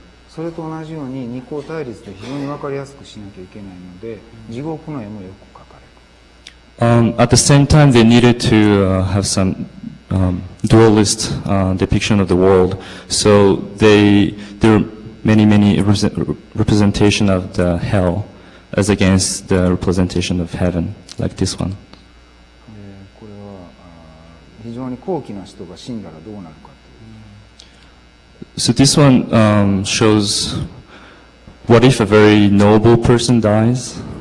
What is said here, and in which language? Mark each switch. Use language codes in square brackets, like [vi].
[ja] それと同じように二項対立で非常に分かりやすくしなきゃいけないので地獄の絵もよく描かれる。 [en] At the same time, they needed to have some dualist depiction of the world. So there are many representation of the hell as against the representation of heaven, like this one. [ja] これは非常に高貴な人が死んだらどうなるか。 [en] So this one shows what if a very noble person dies?